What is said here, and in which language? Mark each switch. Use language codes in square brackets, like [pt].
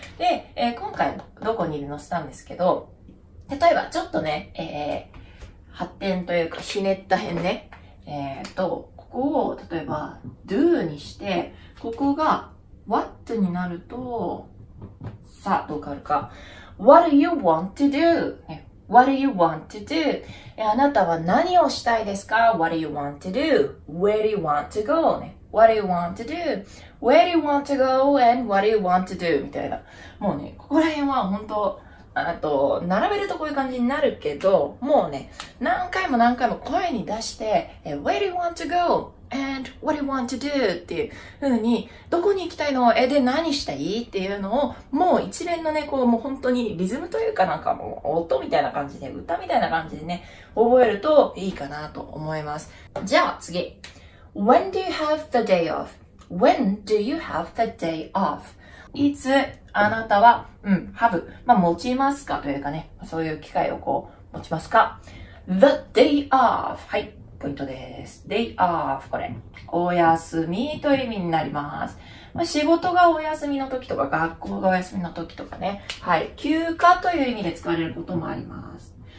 [ja] で、今回、どこにいるのしたんですけど、例えばちょっとね、発展というかひねった辺ね。ここを例えば do にして、ここが what になるとさあどう変わるか。 [en] What do you want to do?、ね、What do you want to do? [ja] あなたは何をしたいですか? [en] What do you want to do? Where do you want to go?、ね、What do you want to do? Where do you want to go? And what do you want to do? みたいな。 [ja] もうね、ここら辺は本当、あと並べるとこういう感じになるけど、もうね、何回も何回も声に出して、 [en] Where do you want to go? And what do you want to do? [ja] っていう風に、どこに行きたいの?で、何したい? っていうのを、もう一連のね、こう、もう本当にリズムというかなんかもう音みたいな感じで、歌みたいな感じでね、覚えるといいかなと思います。じゃあ次。 [en] When do you have the day off? When do you have the day off? [ja] いつあなたは、うん、have、まあ、持ちますかというかね、そういう機会をこう、持ちますか。 [en] The day off。 [ja] はい、ポイントです。day off。これ、お休みという意味になります。まあ、仕事がお休みの時とか、学校がお休みの時とかね、はい、休暇という意味で使われることもあります。